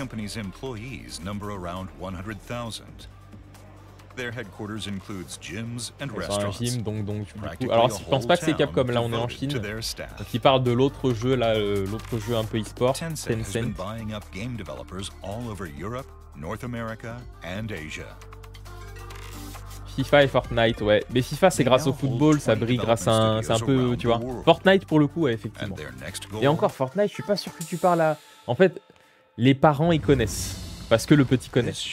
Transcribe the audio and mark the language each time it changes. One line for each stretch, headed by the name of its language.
English: The company's employees number around 100,000. Their headquarters includes gyms and restaurants.
French: Un gym, donc du coup, alors si je pense pas que c'est Capcom, là on est en Chine. Donc ils parlent de l'autre jeu là, l'autre jeu un peu e-sport, Tencent.
English: Has been buying up game developers all over Europe, North America and Asia.
French: FIFA et Fortnite, ouais. Mais FIFA, c'est grâce au football, ça brille grâce à un... C'est un peu, tu vois. Fortnite, pour le coup, ouais, effectivement. Et encore, Fortnite, je suis pas sûr que tu parles à... En fait, les parents, ils connaissent. Parce que le petit connaît.